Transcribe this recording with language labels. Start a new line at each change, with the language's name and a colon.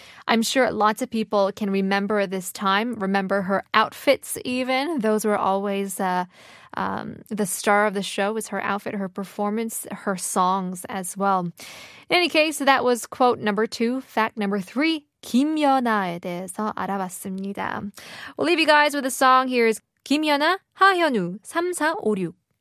English: I'm sure lots of people can remember this time, remember her outfits even. Those were always the star of the show, was her outfit, her performance, her songs as well. In any case, that was quote number 2, fact number 3.
Korean: 김연아에 대해서 알아봤습니다.
English: We'll leave you guys with a song. Here is 김연아, 하현우, 3456.